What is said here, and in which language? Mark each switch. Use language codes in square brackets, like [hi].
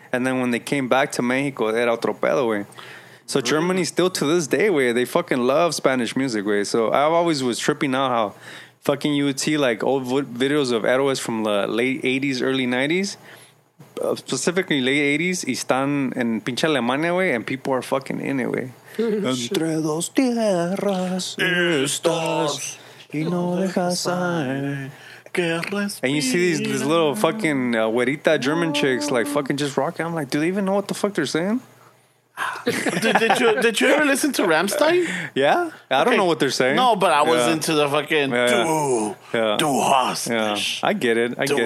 [en] And then when they came back to Mexico, they had [es] otro pedo, [en] way. So Germany still to this day, way, they fucking love Spanish music, way. So I always was tripping out how fucking you would see like old videos of Héroes from the late 80s, early 90s. Specifically late 80s, [es] están en pinche Alemania, [en] way, and people are fucking in it, way. [es] Entre dos tierras estás y no dejas que respire. [en] And you see these little fucking güerita German chicks like fucking just rocking. I'm like, do they even know what the fuck they're saying? did you ever listen to Rammstein? Yeah, I don't know what they're saying. No, but I was into the fucking [de] du hast nicht. [en] I get it. I get it.